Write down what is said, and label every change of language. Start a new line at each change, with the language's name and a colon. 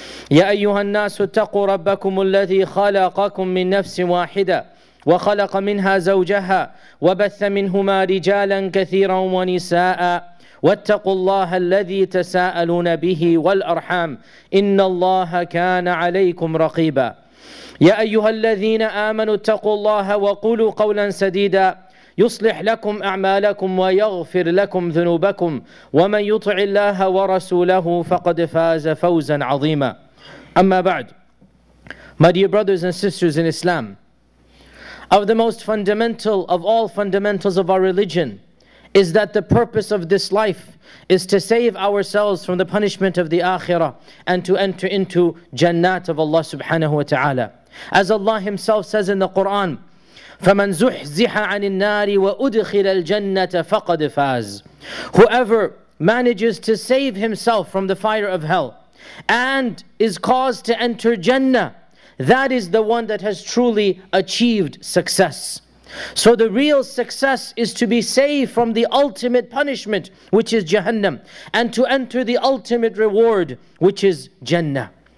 Arabic: يا أيها الناس اتقوا ربكم الذي خلقكم من نفس واحدة وخلق منها زوجها وبث منهما رجالا كثيرا ونساء، واتقوا الله الذي تساءلون به والأرحام، إن الله كان عليكم رقيبا. يا أيها الذين آمنوا اتقوا الله وقولوا قولا سديدا يصلح لكم أعمالكم ويغفر لكم ذنوبكم، ومن يطع الله ورسوله فقد فاز فوزا عظيما. أما بعد،
English: my dear brothers and sisters in Islam, of the most fundamental of all fundamentals of our religion is that the purpose of this life is to save ourselves from the punishment of the Akhirah and to enter into Jannat of Allah subhanahu wa ta'ala. As Allah Himself says in the Quran,
Arabic: فَمَنْ زُحْزِحَ عَنِ النَّارِ وَأُدْخِلَ الْجَنَّةَ فَقَدْ فَازِ.
English: Whoever manages to save himself from the fire of hell and is caused to enter Jannah, that is the one that has truly achieved success. So the real success is to be saved from the ultimate punishment, which is Jahannam, and to enter the ultimate reward, which is Jannah.